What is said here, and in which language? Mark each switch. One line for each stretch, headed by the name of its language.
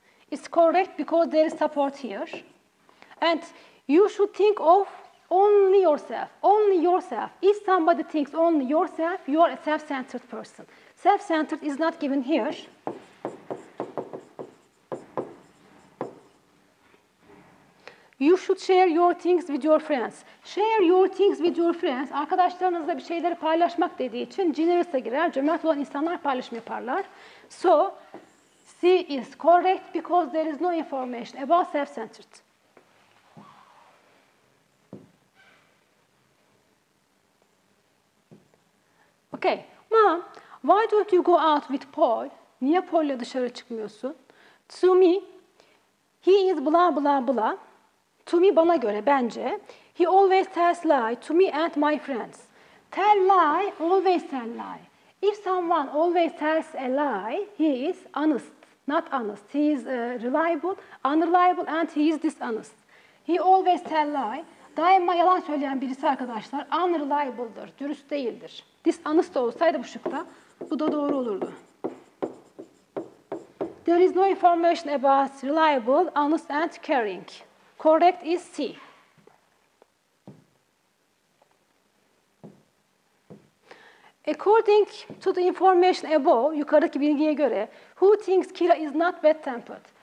English: It's correct because there is support here. And you should think of only yourself. Only yourself. If somebody thinks only yourself, you are a self-centered person. Self-centered is not given here. You should share your things with your friends. Share your things with your friends.
Turkish: Arkadaşlarınızla bir şeyleri paylaşmak dediği için generous'a girer. Cömert olan insanlar paylaşım yaparlar.
English: So, C is correct because there is no information about self-centered. Okay, Mom, why don't you go out with Paul?
Turkish: Niye Paul'la dışarı çıkmıyorsun?
English: To me, he is blah blah blah. To me,
Turkish: bana göre, bence.
English: He always tells lie to me and my friends. Tell lie, always tell lie. If someone always tells a lie, he is honest. Not honest. He is reliable, unreliable and he is dishonest. He always tell lie.
Turkish: Daima yalan söyleyen birisi arkadaşlar, unreliable'dır, dürüst değildir. Dishonest olsaydı bu şıkta, bu da doğru olurdu.
English: There is no information about reliable, honest and caring. Correct is C. According to the information above,
Turkish: yukarıdaki bilgiye göre,
English: who thinks Kira is not bad-tempered?